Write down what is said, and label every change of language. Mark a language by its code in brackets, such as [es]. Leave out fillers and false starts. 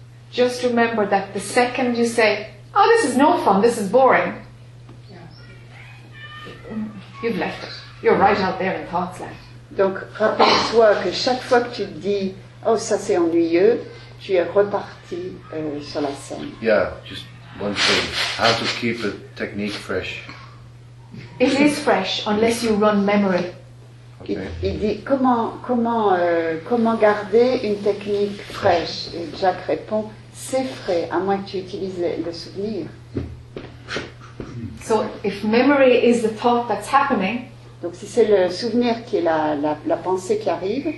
[en] Just remember that the second you say, oh, this is no fun, this is boring, you've left it. You're right out there in thoughts land. [fr] Donc, rappelle-toi que chaque fois que tu dis, oh, ça c'est ennuyeux, tu es reparti sur la scène. [en] Yeah, just one thing. How to keep a technique fresh. It is fresh unless you run memory. [fr] Okay. Il dit comment garder une technique fraîche? Et Jack répond, c'est frais à moins que tu utilises le souvenir. [en] So if memory is the thought that's happening, [fr] donc si c'est le souvenir qui est la pensée qui arrive,